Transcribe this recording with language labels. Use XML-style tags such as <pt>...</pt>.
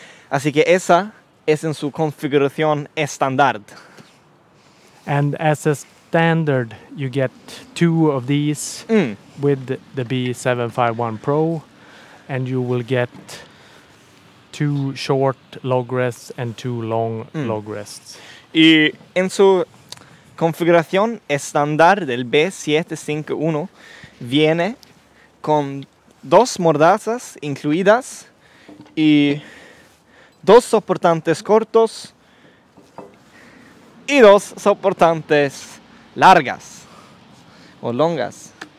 <es>Así que esa es en su configuración estándar.</es> <en>And as a standard, you get two of these with the B751 Pro, and you will get two short log rests and two long log rests.</en> <es>Y en su configuración estándar del B751 viene con dos mordazas incluidas y dos soportantes cortos y dos soportantes largas o longas.</es>